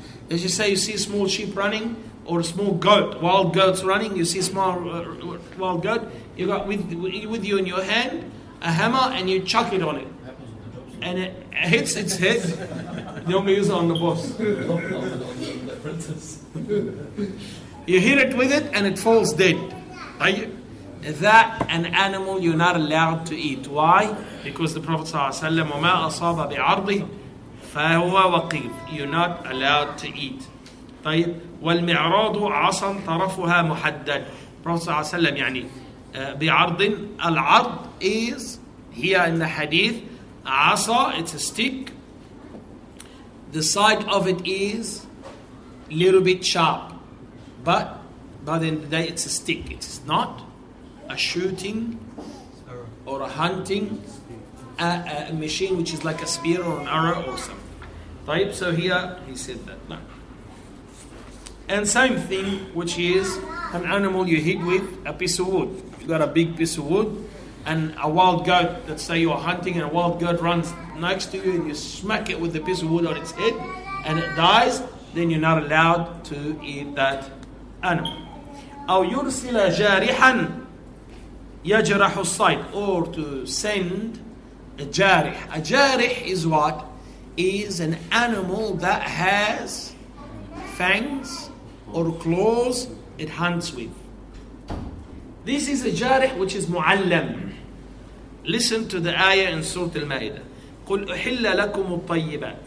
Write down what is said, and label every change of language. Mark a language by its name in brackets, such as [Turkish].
[English] Let's just say you see small sheep running, or a small goat, wild goats running, you see small wild goat, you got with you in your hand a hammer and you chuck it on it. And it hits its head. You only use it on the boss. You hit it with it and it falls dead. Are you? That an animal you're not allowed to eat. Why? Because the Prophet [Arabic] ﷺ, وَمَا أَصَابَ بِعَرْضِ فَهُوَ وَقِيفٌ. [English] You're not allowed to eat. [Arabic] طيب والمعراض عصا طرفها محدد. Prophet صلى الله عليه وسلم يعني بعرض. [English] العرض is here in the hadith عصا, it's a stick, the side of it is little bit sharp, but in the day it's a stick, it's not a shooting or a hunting a machine which is like a spear or an arrow or something. [Arabic] طيب, [English] so here he said that. And same thing, which is an animal you hit with a piece of wood. You got a big piece of wood and a wild goat, let's say you are hunting and a wild goat runs next to you and you smack it with the piece of wood on its head and it dies, then you're not allowed to eat that animal. [Arabic] أو يرسل جارحا يجرح الصيد. [English] Or to send a jarih. A jarih is what? Is an animal that has fangs or claws it hunts with. This is a jarih which is mu'allam. Listen to the ayah in Surah Al-Ma'idah. [Arabic] قُلْ أُحِلَّ لَكُمُ الطَّيِّبَاتِ.